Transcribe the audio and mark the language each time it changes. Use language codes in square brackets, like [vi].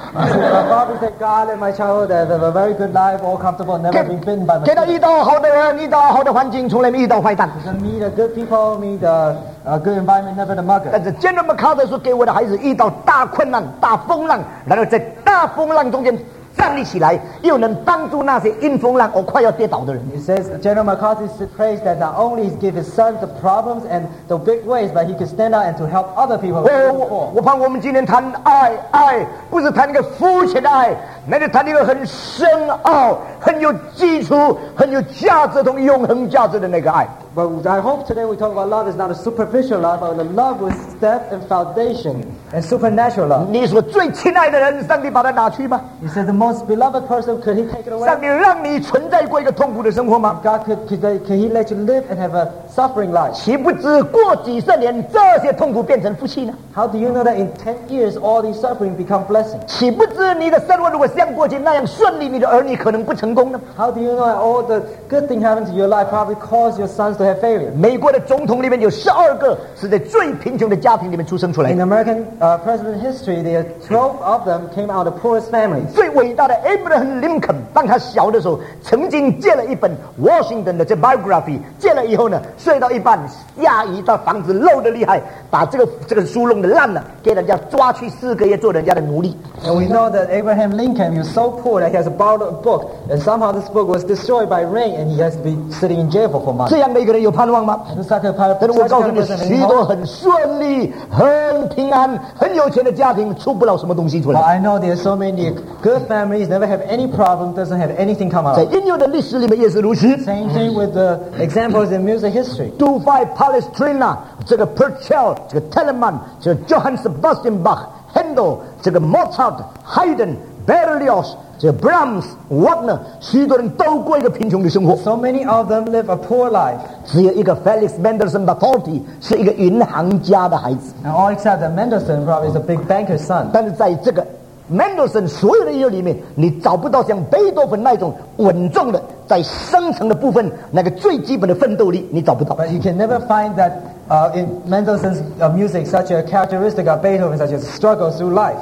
[en] The father said, God, let my child have a very good life, all comfortable, never been bitten by mosquitoes. [zh] 给他遇到好的人，遇到好的环境，从来没遇到坏蛋。 [en] Meet the good people, meet the good environment, never the mugger. [zh] 但是 General MacArthur 说，给我的孩子遇到大困难、大风浪，然后在大风浪中间。站立起来，又能帮助那些因风浪而快要跌倒的人。 [en] He says General MacArthur prays that not only he gives his son the problems and the big waves, but he can stand out and to help other people. [zh] 我怕我们今天谈爱，爱不是谈一个肤浅的爱，乃是谈一个很深奥、很有基础、很有价值同永恒价值的那个爱。 [en] But I hope today we talk about love is not a superficial love, but the love with depth and foundation and supernatural love. [zh] 你说最亲爱的人，上帝把他拿去吗？ [en] He said the most beloved person, could he take it away? [zh] 上帝让你存在过一个痛苦的生活吗？ [en] God could he let you live and have a suffering life? [zh] 岂不知过几十年，这些痛苦变成福气呢？ [en] How do you know that in 10 years all these suffering become blessing? [zh] 岂不知你的生活如果像过去那样顺利，你的儿女可能不成功呢？ [en] How do you know that all the good things happen to your life probably cause your sons to have failure? [zh] 美国的总统里面有12个是在最贫穷的家庭里面出生出来的。 [en] In American president history, there are 12 of them came out of the poorest families. [zh] 最伟大的 Abraham Lincoln 当他小的时候，曾经借了一本 Washington 的这 biography， 借了以后呢，睡到一半，下雨，他房子漏得厉害，把这个书弄得烂了，给人家抓去4个月做人家的奴隶。 [en] And we know that Abraham Lincoln was so poor that he has borrowed a book, and somehow this book was destroyed by rain, and he has to be sitting in jail for 4 months. [zh] 这样的一个人有盼望吗？ Like、a, 但是我告诉你，许多很顺利、很平安、很有钱的家庭出不了什么东西出来。 [en] Well, I know there are so many good families never have any problem, doesn't have anything come out. [zh] 在音乐的历史里面也是如此。 [en] Same thing with the examples in music history. [zh] Two-five Palestrina, 这个 Purcell, 这个 Telemann, 这个 Johann Sebastian Bach. Handel, 这个 Mozart, Haydn, Berlioz, 这个 Brahms, Wagner, 许多人都过一个贫穷的生活。 [en] So many of them live a poor life. [zh] 只有一个 Felix Mendelssohn Bartholdy 是一个银行家的孩子。 [en] And all except that Mendelssohn probably is a big banker's son. [zh] 但是在这个 Mendelssohn 所有的音乐里面，你找不到像贝多芬那种稳重的在深层的部分那个最基本的奋斗力，你找不到。 [en] But you can never find that. In Mendelssohn's music, such a characteristic of Beethoven, such as struggle through life.